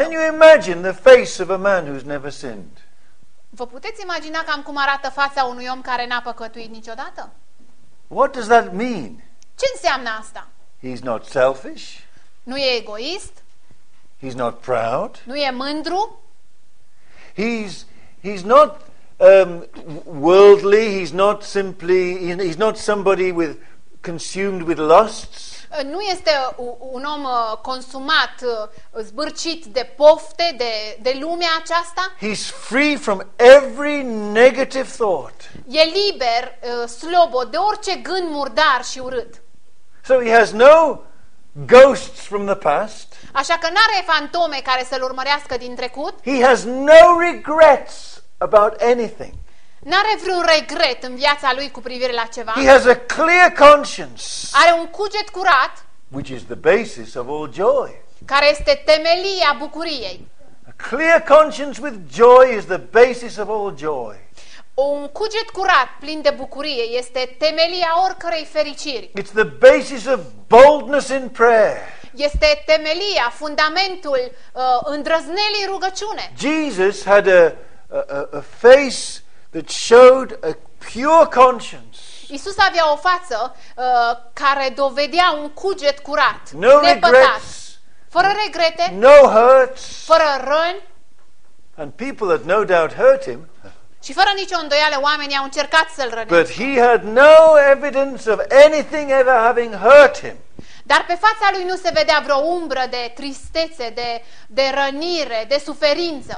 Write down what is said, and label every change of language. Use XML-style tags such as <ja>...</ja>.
<en>Can you imagine the face of a man who's never sinned?</en> <ro>Vă puteți imagina cam cum arată fața unui om care n-a păcătuit niciodată?</ro> <en>What does that mean?</en> <ro>Ce înseamnă asta?</ro> <en>He's not selfish.</en> <ro>Nu e egoist.</ro> <en>He's not proud.</en> <ro>Nu e mândru.</ro> <en>He's not worldly. He's not simply. He's not somebody with consumed with lusts.</en> <ro>Nu este un om consumat, zbârcit de pofte, de lumea aceasta.</ro> <en>He's free from every negative thought.</en> <ro>E liber, slobod de orice gând murdar și urât.</ro> <en>So he has no ghosts from the past.</en> <ro>Așa că n-are fantome care să-l urmărească din trecut.</ro> <en>He has no regrets about anything.</en> <ro>N-are vreun regret în viața lui cu privire la ceva.</ro> <en>He has a clear conscience.</en> <ro>Are un cuget curat.</ro> <en>Which is the basis of all joy.</en> <ro>Care este temelia bucuriei.</ro> <en>A clear conscience with joy is the basis of all joy.</en> <ro>Un cuget curat, plin de bucurie, este temelia oricărei fericiri.</ro> <en>It's the basis of boldness in prayer.</en> <ro>Este temelia, fundamentul îndrăznelii rugăciune.</ro> <en>Jesus had a face that showed a pure conscience.</en> <ro>Isus avea o față care dovedea un cuget curat,</ro> <en>no regrets,</en> <ro>fără regrete,</ro> <en>no hurts,</en> <ro>fără răni.</ro> <en>And people had no doubt hurt him.</en> <ro>Și fără nicio îndoială oamenii au încercat să-l rănească.</ro> <en>But he had no evidence of anything ever having hurt him.</en> <ro>Dar pe fața lui nu se vedea vreo umbră de tristețe, de rănire, de suferință.</ro>